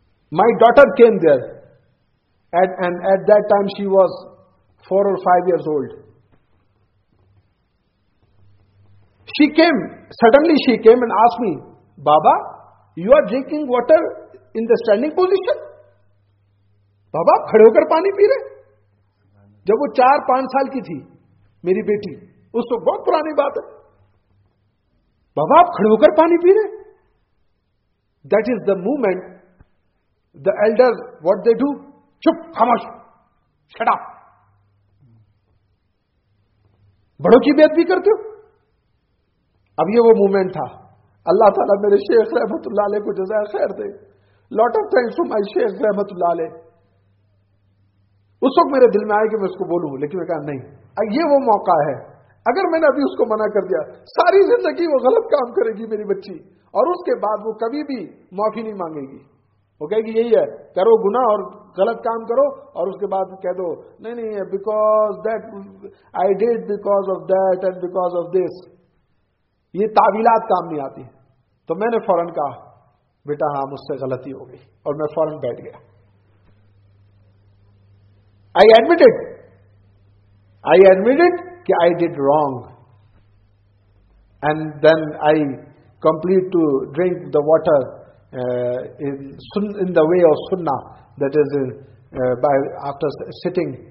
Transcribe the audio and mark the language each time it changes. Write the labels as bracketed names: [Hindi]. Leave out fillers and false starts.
[English] My daughter came there, and at that time she was 4 or 5 years old. She came and asked me, Baba, you are drinking water in the standing position? [Urdu] بابا کھڑے ہو کر پانی پی رہے. جب وہ 4-5 سال کی تھی میری بیٹی, اس تو بہت پرانی بات ہے, بابا آپ کھڑے ہو کر پانی پی رہے. [English] that is the movement the elder, what they do, [Urdu] چپ خاموش, [English] Shut up. [Urdu] بڑوں کی بیعت بھی کرتے ہو. اب یہ وہ موومنٹ تھا. اللہ تعالیٰ میرے شیخ رحمت اللہ علیہ کو جزائے خیر دے. [English] Lot of thanks to my شیخ رحمت اللہ علیہ. [Urdu] اس وقت میرے دل میں آیا کہ میں اس کو بولوں, لیکن میں کہا نہیں, یہ وہ موقع ہے. اگر میں نے ابھی اس کو منع کر دیا, ساری زندگی وہ غلط کام کرے گی میری بچی, اور اس کے بعد وہ کبھی بھی معافی نہیں مانگے گی. وہ کہے گی یہی ہے, کرو گناہ اور غلط کام کرو, اور اس کے بعد کہہ دو نہیں نہیں [English] Because that I did because of that and because of this. [Urdu] یہ تعویلات کام نہیں آتی. تو میں نے فوراً کہا بیٹا ہاں مجھ سے غلطی ہو گئی, اور میں فوراً بیٹھ گیا. [English] I admitted ki I did wrong, and then I complete to drink the water in the way of sunnah, that is by after sitting.